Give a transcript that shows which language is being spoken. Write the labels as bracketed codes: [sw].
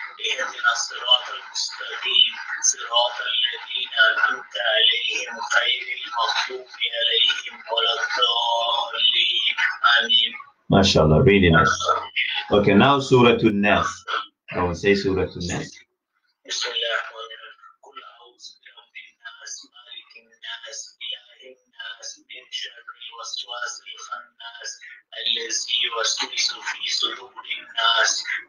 [ar] اهدنا الصراط المستقيم صراط الذين أنعمت عليهم غير المغضوب عليهم ولا الضالين آمين. ما شاء الله. [en] Really nice. Okay, now سورة الناس. I will say سورة الناس. [ar] بسم الله الرحمن الرحيم. قل أعوذ برب الناس مالك الناس إله الناس من شر الوسواس الخناس الذي يوسوس في صدور الناس.